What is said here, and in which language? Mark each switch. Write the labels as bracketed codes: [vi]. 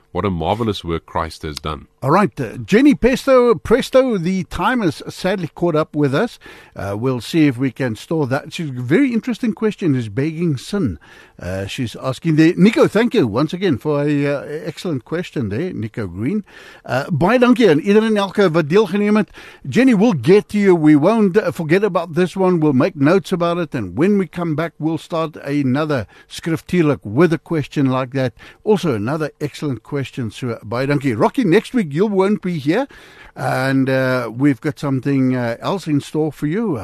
[en] What a marvelous work Christ has done. All right. Jenny Presto, the time has sadly caught up with us. We'll see if we can store that. She's a very interesting question. Is begging sin? She's asking there. Nico, thank you once again for an excellent question there, Nico Green. [af] Baie dankie aan iedereen elke wat deelgeneem het. [en] Jenny, we'll get to you. We won't forget about this one. We'll make notes about it. And when we come back, we'll start another skriftelik with a question like that. Also, another excellent question. So, [af] baie dankie. [en] Rocky, next week you won't be here. And we've got something else in store for you.